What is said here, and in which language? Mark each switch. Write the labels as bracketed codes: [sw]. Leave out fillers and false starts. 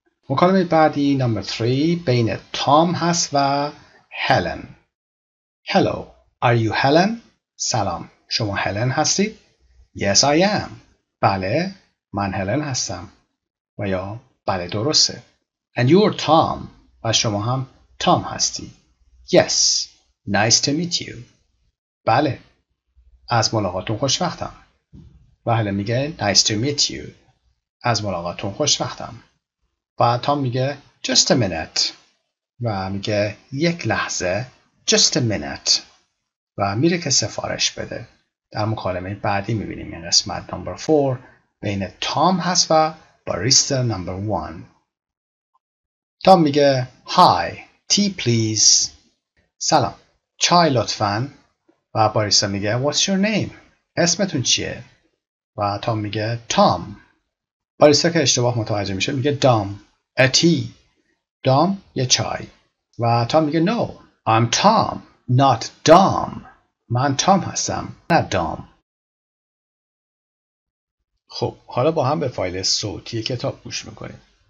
[fa] مکالمه بعدی نمبر 3 بین تام هست و هلن. [en] Hello، are you Helen؟ [fa] سلام، شما هلن هستی؟ [en] Yes I am، [fa] بله من هلن هستم. و یا بله درسته. [en] And you're Tom، [fa] و شما هم تام هستی. [en] Yes، nice to meet you، [fa] بله از ملاقاتون خوشبختم. و هلن میگه [en] Nice to meet you، [fa] از ملاقاتون خوشبختم. و تام میگه [en] Just a minute، [fa] و میگه یک لحظه، Just a minute، و میره که سفارش بده. در مکالمه بعدی میبینیم این قسمت نمبر 4 بین تام هست و باریستا نمبر 1. تام میگه [en] Hi، tea please. [fa] سلام، چای لطفاً. و باریستا میگه [en] What's your name؟ [fa] اسمتون چیه؟ و تام میگه Tom. باریستا که اشتباه متوجه میشه میگه [en] Dom، a tea. [fa] Dom یه چای. و تام میگه [en] No، I'm Tom، not Dom. [fa] من تام هستم، نه دام. خب، حالا با هم به فایل صوتی کتاب گوش میکنیم.